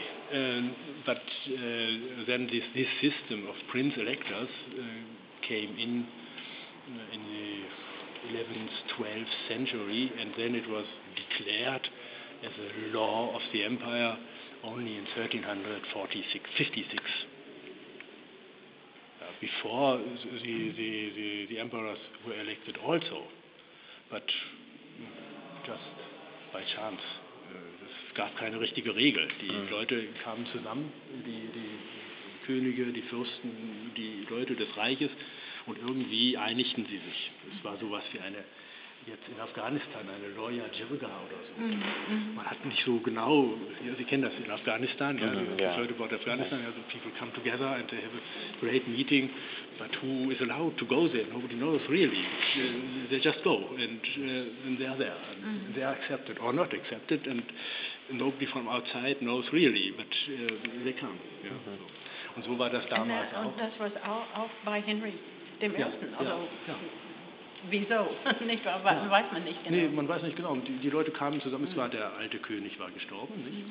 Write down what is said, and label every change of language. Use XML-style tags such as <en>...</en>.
<en>Then this system of prince electors came in the 11th, 12th century, and then it was declared as a law of the empire only in 1346. Before, the emperors were elected also, but just by chance.</en> <de>Es gab keine richtige Regel. Die Leute kamen zusammen, die Könige, die Fürsten, die Leute des Reiches, und irgendwie einigten sie sich. Es war sowas wie eine, jetzt in Afghanistan, eine Loya Jirga oder so. Mm-hmm. Man hat nicht so genau, ja, Sie kennen das in Afghanistan, mm-hmm.</de> <en>You've heard about Afghanistan, yeah. So people come together and they have a great meeting, but who is allowed to go there? Nobody knows really. They just go and they're there. And mm-hmm. They are accepted or not accepted and nobody from outside knows really, but they come. Yeah. Mm-hmm.</en> <de>So. Und so war das damals</de> <en>and that,</en> <de>auch. Und das war auch bei Henry dem Ersten. Wieso? Nicht, weiß man nicht genau. Nee, man weiß nicht genau. Die Leute kamen zusammen. Es war der alte König war gestorben, nicht?</de>